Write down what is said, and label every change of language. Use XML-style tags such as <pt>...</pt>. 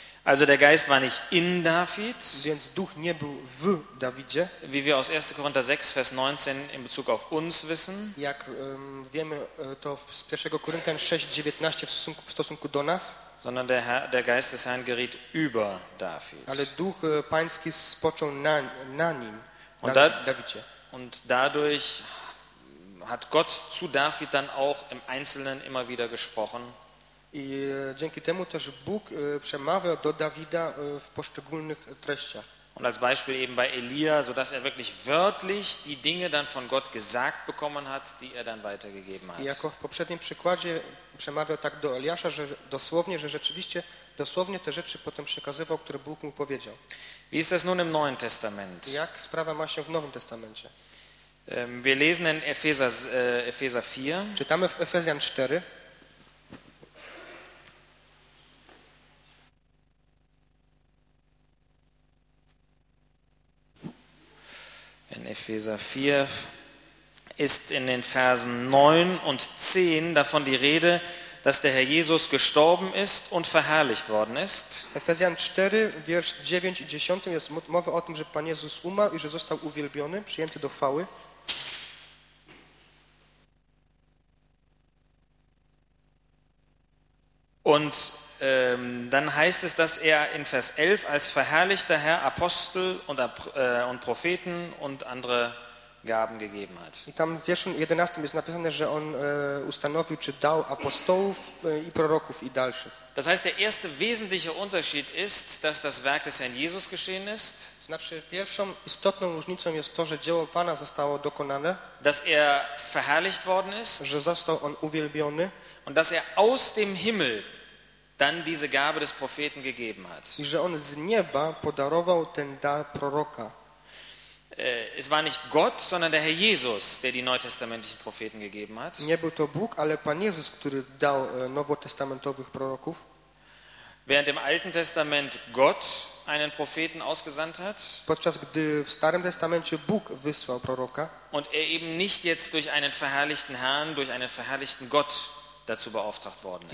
<de>Also der Geist war nicht in David,</de> <pl>więc Duch nie był w Dawidzie,</pl> <de>wie wir aus 1. Korinther 6, Vers 19 in Bezug auf uns wissen.</de> <pl>Jak wiemy to z 1. Korinther 6, 19 w stosunku do nas.</pl> <de>Sondern der Geist des Herrn geriet über David.</de> <pl>Ale Duch Pański spoczął na nim, na Dawidzie.</pl> <de>Und dadurch hat Gott zu David dann auch im Einzelnen immer wieder gesprochen.</de> <pl>I dzięki temu też Bóg przemawiał do Dawida w poszczególnych treściach.</pl> <de>Und als Beispiel eben bei Elia, sodass er wirklich wörtlich die Dinge dann von Gott gesagt bekommen hat, die er dann weitergegeben hat.</de> <pl>I jako w poprzednim przykładzie przemawiał tak do Eliasza, że rzeczywiście dosłownie te rzeczy potem przekazywał, które Bóg mu powiedział.</pl> <de>Wie ist das nun im Neuen Testament?</de> <pl>Jak sprawa ma się w Nowym Testamencie?</pl> <de>Wir lesen in Epheser 4.</de> <pl>Czytamy w Efezjan 4.</pl> <de>In Epheser 4 ist in den Versen 9 und 10 davon die Rede, dass der Herr Jesus gestorben ist und verherrlicht worden ist.</de> <pl>Efezjan 4, wiersz 9 i 10 jest mowa o tym, że Pan Jezus umarł i że został uwielbiony, przyjęty do chwały.</pl> <de>Und dann heißt es, dass er in Vers 11 als verherrlichter Herr Apostel und Propheten und andere Gaben gegeben hat.</de> <pl>I tam w wierszu 11 jest napisane, że on ustanowił czy dał apostołów i proroków i dalszych.</pl> <de>Das heißt, der erste wesentliche Unterschied ist, dass das Werk des Herrn Jesus geschehen ist.</de> <pl>Znaczy, pierwszą istotną różnicą jest to, że dzieło Pana zostało dokonane.</pl> <de>Dass er verherrlicht worden ist.</de> <pl>Że został on uwielbiony.</pl> <de>Und dass er aus dem Himmel dann diese Gabe des Propheten gegeben hat.</de> <pl>I że on z nieba podarował ten dar proroka.</pl> <de>Es war nicht Gott, sondern der Herr Jesus, der die neutestamentlichen Propheten gegeben hat.</de> <pl>Nie był to Bóg, ale Pan Jezus, który dał nowotestamentowych proroków.</pl> <de>Während im Alten Testament Gott einen Propheten ausgesandt hat.</de> <pl>Podczas gdy w Starym Testamencie Bóg wysłał proroka.</pl> <de>Und er eben nicht jetzt durch einen verherrlichten Herrn, durch einen verherrlichten Gott dazu beauftragt worden ist.</de>